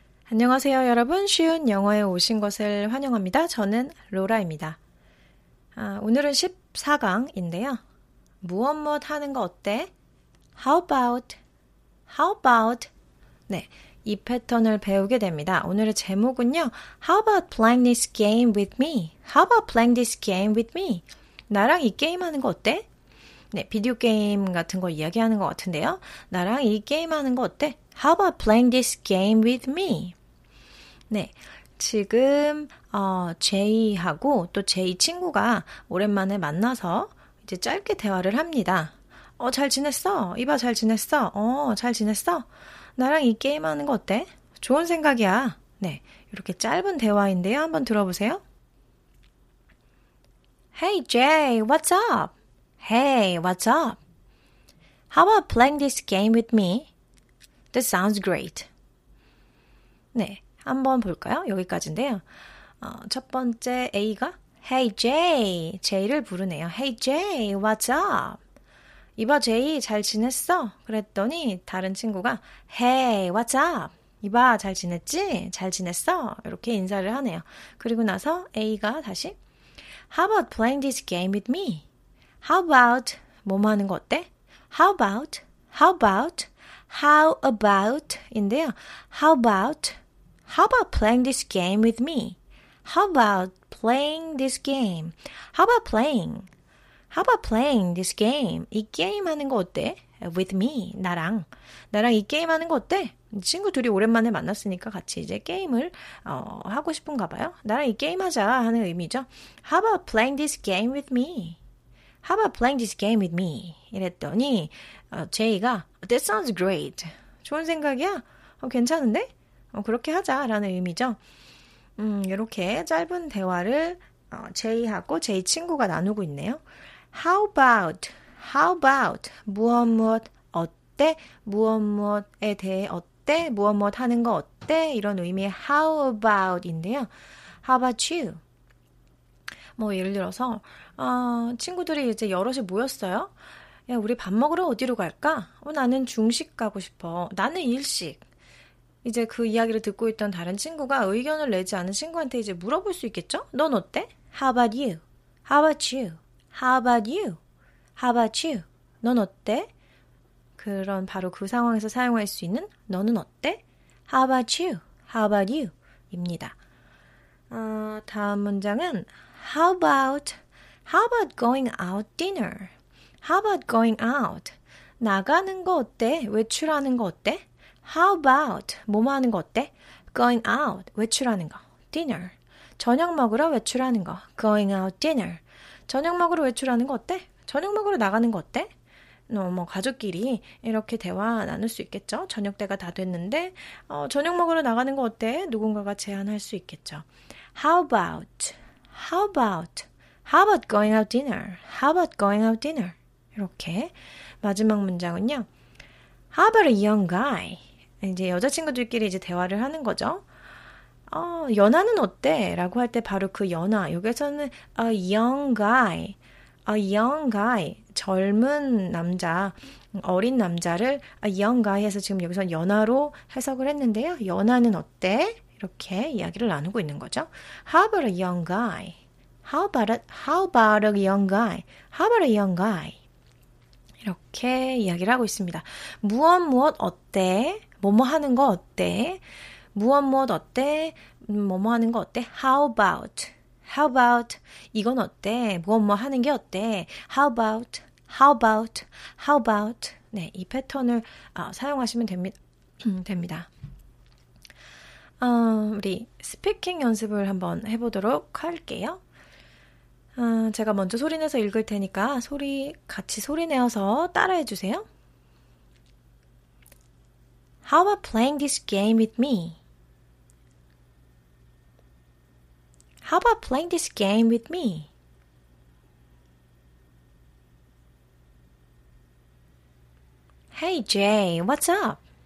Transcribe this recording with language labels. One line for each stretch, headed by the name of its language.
Korean: 안녕하세요 여러분, 쉬운 영어에 오신 것을 환영합니다. 저는 로라입니다. 아, 오늘은 14강인데요. 무엇무엇 하는 거 어때?
English: How about? How about?
Korean: 네, 이 패턴을 배우게 됩니다.
English: 오늘의 제목은요, How about playing this game with me? How about playing this game with me?
Korean: 나랑 이 게임하는 거 어때? 네, 비디오 게임 같은 거 이야기하는 것 같은데요. 나랑 이 게임 하는 거 어때?
English: How about playing this game with me?
Korean: 네, 지금 제이하고 또 제이 친구가 오랜만에 만나서 이제 짧게 대화를 합니다. 잘 지냈어? 이봐, 잘 지냈어? 잘 지냈어? 나랑 이 게임 하는 거 어때? 좋은 생각이야. 네, 이렇게 짧은 대화인데요. 한번 들어보세요.
English: Hey, Jay, what's up? Hey, what's up? How about playing this game with me? That sounds great.
Korean: 네, 한번 볼까요? 여기까지인데요. 첫 번째 A가
English: Hey, Jay.
Korean: Jay를 부르네요.
English: Hey, Jay, what's up?
Korean: 이봐, Jay, 잘 지냈어? 그랬더니 다른 친구가
English: Hey, what's up?
Korean: 이봐, 잘 지냈지? 잘 지냈어? 이렇게 인사를 하네요. 그리고 나서 A가 다시
English: How about playing this game with me? How about,
Korean: 뭐뭐 하는 거 어때?
English: How about, how about, how about
Korean: 인데요.
English: How about playing this game with me? How about playing this game? How about playing? How about playing this game?
Korean: 이 게임 하는 거 어때?
English: With me,
Korean: 나랑. 나랑 이 게임 하는 거 어때? 친구 둘이 오랜만에 만났으니까 같이 이제 게임을 하고 싶은가 봐요. 나랑 이 게임 하자 하는 의미죠.
English: How about playing this game with me? How about playing this game with me?
Korean: 이랬더니 제이가
English: That sounds great.
Korean: 좋은 생각이야? 괜찮은데? 그렇게 하자라는 의미죠. 이렇게 짧은 대화를 제이하고 제이 친구가 나누고 있네요.
English: How about? How about?
Korean: 무엇무엇 어때? 무엇무엇에 대해 어때? 무엇무엇 하는 거 어때? 이런 의미의
English: How about
Korean: 인데요.
English: How about you?
Korean: 뭐 예를 들어서 친구들이 이제 여럿이 모였어요. 야, 우리 밥 먹으러 어디로 갈까? 나는 중식 가고 싶어. 나는 일식. 이제 그 이야기를 듣고 있던 다른 친구가 의견을 내지 않은 친구한테 이제 물어볼 수 있겠죠? 넌 어때?
English: How about you? How about you? How about you? How about you? 넌 어때?
Korean: 그런 바로 그 상황에서 사용할 수 있는 너는 어때?
English: How about you? How about you?
Korean: 입니다. 다음 문장은
English: How about going out dinner? How about going out?
Korean: 나가는 거 어때? 외출하는 거 어때? How about? 뭐 하는 거 어때?
English: Going out.
Korean: 외출하는 거.
English: Dinner.
Korean: 저녁 먹으러 외출하는 거.
English: Going out dinner.
Korean: 저녁 먹으러 외출하는 거 어때? 저녁 먹으러 나가는 거 어때? 뭐 가족끼리 이렇게 대화 나눌 수 있겠죠? 저녁 때가 다 됐는데 저녁 먹으러 나가는 거 어때? 누군가가 제안할 수 있겠죠.
English: How about? How about? How about going out dinner? How about going out dinner?
Korean: 이렇게 마지막 문장은요.
English: How about a young guy?
Korean: 이제 여자친구들끼리 이제 대화를 하는 거죠. 연하는 어때? 라고 할 때 바로 그 연하. 여기서는
English: a young guy. A young guy.
Korean: 젊은 남자, 어린 남자를
English: a young guy
Korean: 해서 지금 여기서 연하로 해석을 했는데요. 연하는 어때? 이렇게 이야기를 나누고 있는 거죠.
English: How about a young guy? How about a young guy? How about a young guy?
Korean: 이렇게 이야기를 하고 있습니다. 무엇 무엇 어때? 뭐뭐 하는 거 어때? 무엇 무엇 어때? 뭐뭐 하는 거 어때?
English: How about? How about?
Korean: 이건 어때? 무엇 뭐 하는 게 어때?
English: How about? How about? How about?
Korean: 네, 이 패턴을 사용하시면 됩니다. 됩니다. 우리 스피킹 연습을 한번 해보도록 할게요. 제가 먼저 소리내서 읽을 테니까 소리 같이 소리내어서 따라해 주세요.
English: How about playing this game with me? How about playing this game with me? Hey Jay, what's up?